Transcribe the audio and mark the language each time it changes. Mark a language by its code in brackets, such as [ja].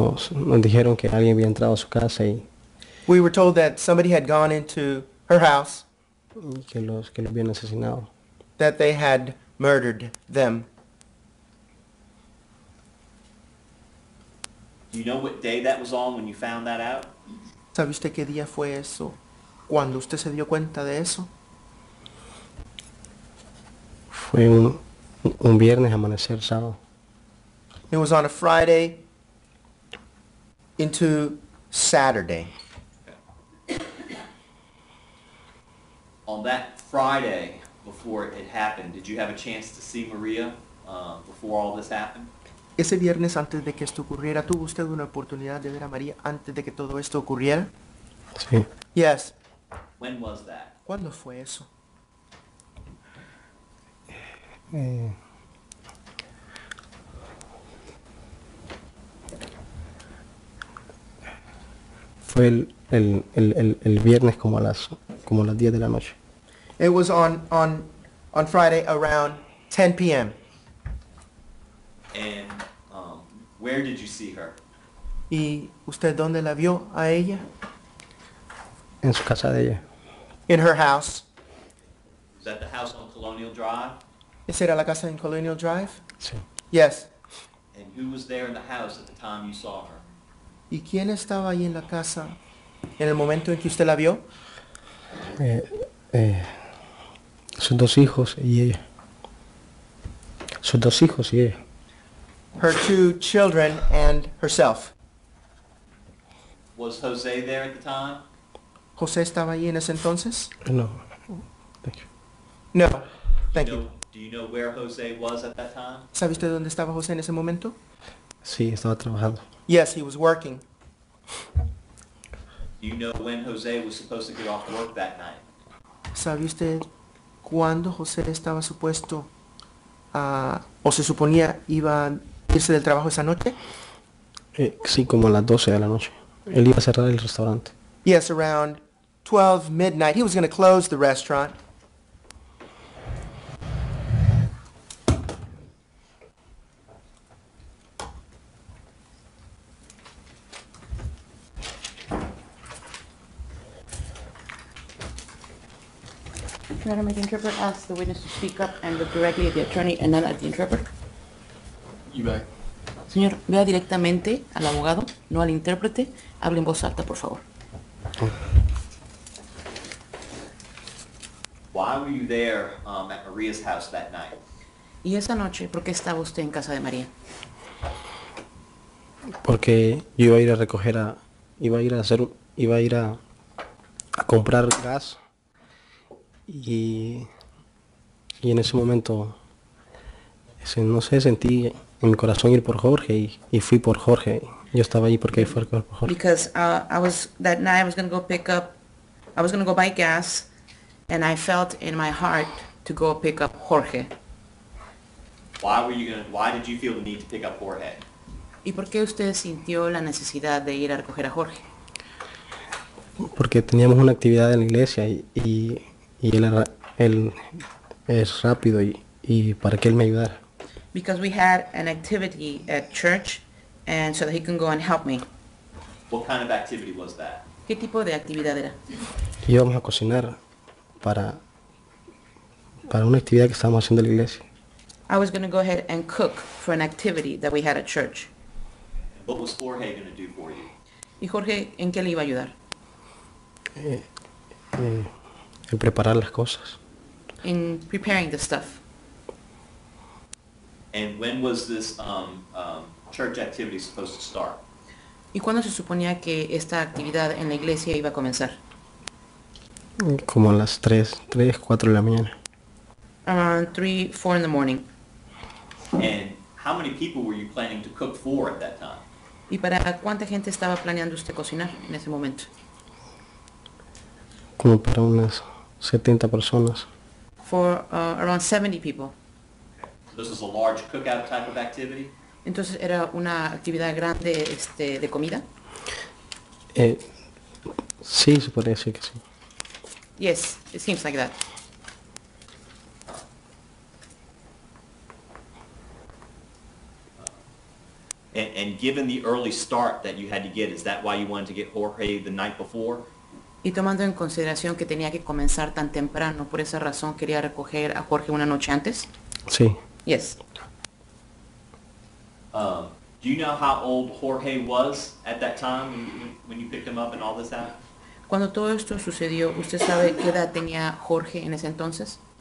[es] Nos dijeron que alguien había entrado a su casa y [en] we were told that somebody had gone into her house. [es] Que los habían asesinado. [en] That they had murdered them. Do you know what day that was on when you found that out? [es] ¿Sabe usted qué día fue eso? ¿Cuándo usted se dio cuenta de eso? Fue un viernes amanecer sábado. [en] It was on a Friday into Saturday. On that Friday before it happened, did you have a chance to see Maria before all this happened? [es] Ese viernes antes de que esto ocurriera, ¿tuvo usted una oportunidad de ver a María antes de que todo esto ocurriera? Sí. [en] Yes. When was that? [es] ¿Cuándo fue eso? Fue el viernes como a las 10 de la noche. [en] It was on Friday around 10 p.m. And where did you see her? [es] ¿Y usted dónde la vio a ella? En su casa de ella. [en] In her house. Is that the house on Colonial Drive? [es] ¿Esa era la casa en Colonial Drive? Sí. [en] Yes. And who was there in the house at the time you saw her? [es] ¿Y quién estaba ahí en la casa en el momento en que usted la vio? Sus dos hijos y ella. Sus dos hijos y ella. [en] Her two children and herself. Was Jose there at the time? [es] ¿Jose estaba ahí en ese entonces? [en] No. Thank you. No. Thank you. Do you know where Jose was at that time? [es] ¿Sabe usted dónde estaba Jose en ese momento? Sí, estaba trabajando. [en] Yes, he was working. Do you know when Jose was supposed to get off work that night? [es] ¿Sabe usted cuándo José estaba supuesto o se suponía iba a irse del trabajo esa noche? Sí, como a las 12 de la noche. Él iba a cerrar el restaurante. [en] Yes, around 12 midnight. He was going to close the restaurant. Your Honor, may the interpreter ask the witness to speak up and look directly at the attorney and not at the interpreter? You may. [es] Señor, vea directamente al abogado, no al intérprete. Hable en voz alta, por favor. [en] Why were you there at Maria's house that night? [es] ¿Y esa noche por qué estaba usted en casa de María? Porque yo iba a ir a recoger a... iba a ir a comprar gas. Y en ese momento, no sé, sentí en mi corazón ir por Jorge y fui por Jorge. Yo estaba allí porque fui por Jorge. [en] Because that night I was going to go pick up, I was going to go buy gas, and I felt in my heart to go pick up Jorge. Why did you feel the need to pick up Jorge? [es] ¿Y por qué usted sintió la necesidad de ir a recoger a Jorge? Porque teníamos una actividad en la iglesia y él es rápido y para que él me ayudara. [en] Because we had an activity at church, and so that he can go and help me. What kind of activity was that? [es] ¿Qué tipo de actividad era? Íbamos a cocinar para una actividad que estábamos haciendo en la iglesia. [en] I was going to go ahead and cook for an activity that we had at church. What was Jorge going to do for you? [es] ¿Y Jorge en qué le iba a ayudar? En preparar las cosas. [en] In preparing the stuff. And when was this church activity supposed to start? [es] ¿Y cuándo se suponía que esta actividad en la iglesia iba a comenzar? Como a las 3, 4 de la mañana. [en] Around 3, 4 in the morning. And how many people were you planning to cook for at that time? [es] ¿Y para cuánta gente estaba planeando usted cocinar en ese momento? Como para unas 70 personas. [en] For around 70 people. This is a large cookout type of activity. [es] Entonces era una actividad grande de comida. Sí, se podría decir que sí. [en] Yes, it seems like that. And given the early start that you had to get, is that why you wanted to get Jorge the night before? [es] Y tomando en consideración que tenía que comenzar tan temprano, por esa razón quería recoger a Jorge una noche antes. Sí. [en] Yes. Do you know how old Jorge was at that time when you picked him up and all this happened? [es] Cuando todo esto sucedió, ¿usted sabe qué edad tenía Jorge en ese entonces?